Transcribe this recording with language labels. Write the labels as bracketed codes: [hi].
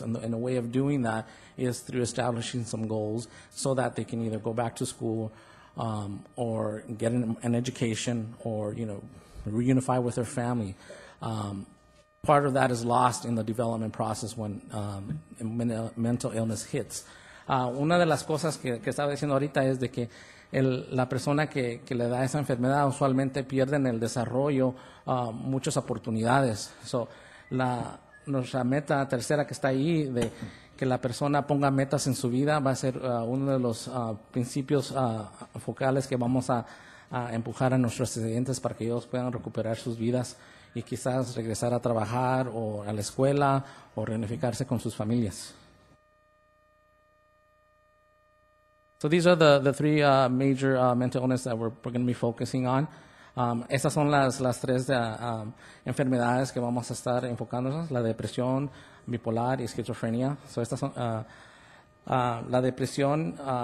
[en] And the way of doing that is through establishing some goals so that they can either go back to school or get an education or, you know, reunify with their family. Part of that is lost in the development process when mental illness hits. [es] Una de las cosas que estaba diciendo ahorita es de que la persona que le da esa enfermedad usualmente pierde en el desarrollo muchas oportunidades. So, nuestra meta tercera que está ahí de que la persona ponga metas en su vida va a ser uno de los principios focales que vamos a empujar a nuestros estudiantes para que ellos puedan recuperar sus vidas y quizás regresar a trabajar o a la escuela o reunificarse con sus familias. [en] So these are the three major mental illness that we're going to be focusing on. [es] Esas son las tres enfermedades que vamos a estar enfocándonos, la depresión, bipolar y esquizofrenia. So estas son la depresión.